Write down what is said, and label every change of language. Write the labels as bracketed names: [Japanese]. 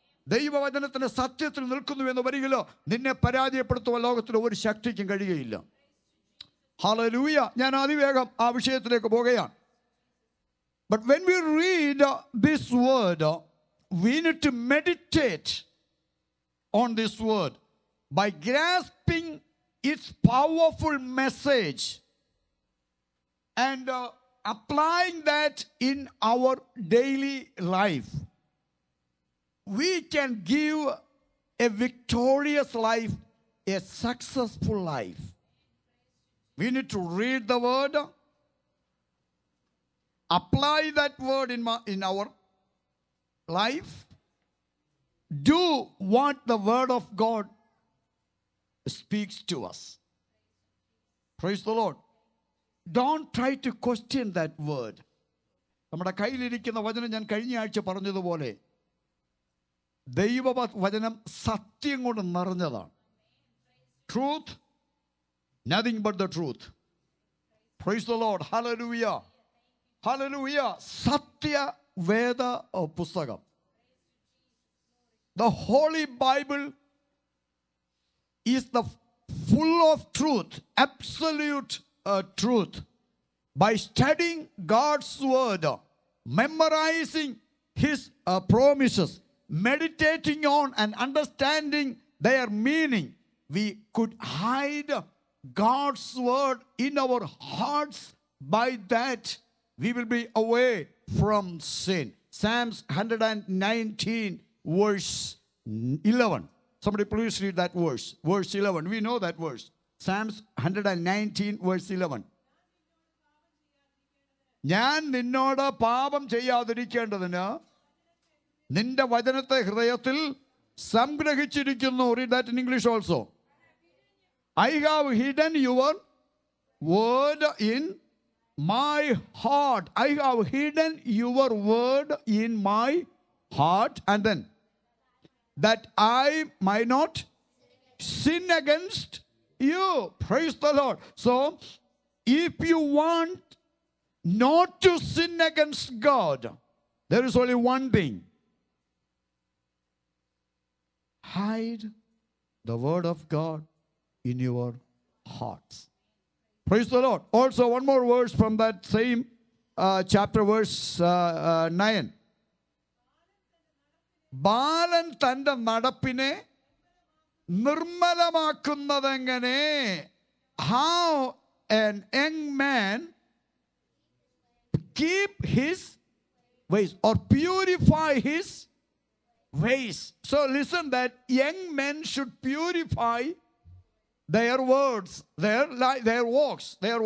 [Malayalam] ദൈവവചനത്തിന്റെ സത്യത്തിൽ നിൽക്കുന്നു എന്ന് വരികിലോ നിന്നെ പരാജയപ്പെടുത്തുവ ലോകത്തിന് ഒരു ശക്തിക്കും കഴിയുകയില്ല. ഹല്ലേലൂയ. ഞാൻ അതിവേഗം ആ വിഷയത്തിലേക്ക് പോവുകയാണ്. [English] But when we read this word, we need to meditate on this word by grasping its powerful message and applying that in our daily life. We can give a victorious life, a successful life. We need to read the word, apply that word in our life, do what the word of God speaks to us. Praise the Lord. Don't try to question that word. [Malayalam] നമ്മുടെ കയ്യിലിരിക്കുന്ന വചനം ഞാൻ കഴിഞ്ഞ ആഴ്ച പറഞ്ഞതുപോലെ ദൈവവചനം സത്യം കൊണ്ട് നിറഞ്ഞതാണ്. [English] Truth, nothing but the truth. Praise the Lord. Hallelujah. Hallelujah. [Malayalam] സത്യ വേദ പുസ്തകം. [English] The Holy Bible is the full of truth, absolute truth. By studying God's word, memorizing his promises, meditating on and understanding their meaning, we could hide God's word in our hearts. By that we will be away from sin. Psalms 119 verse 11. Somebody please read that verse. Verse 11. We know that verse. Psalms 119 verse 11. [Malayalam] ഞാൻ നിന്നോട് പാപം ചെയ്യാതിരിക്കേണ്ടതിന് നിന്റെ വചനത്തെ ഹൃദയത്തിൽ സംഗ്രഹിച്ചിരിക്കുന്നു. [English] Read that in English also. I have hidden your word in my heart. I have hidden your word in my heart. And then, that I might not sin against you. Praise the Lord. So, if you want not to sin against God, there is only one thing. Hide the word of God in your hearts. Praise the Lord. Also, one more verse from that same chapter, verse 9. [Malayalam] ബാലൻ തന്റെ നടപ്പിനെ നിർമ്മലമാക്കുന്നതെങ്ങനെ. [English] How an young man keep his ways or purify his ways. So listen, that young men should purify their words, their walks.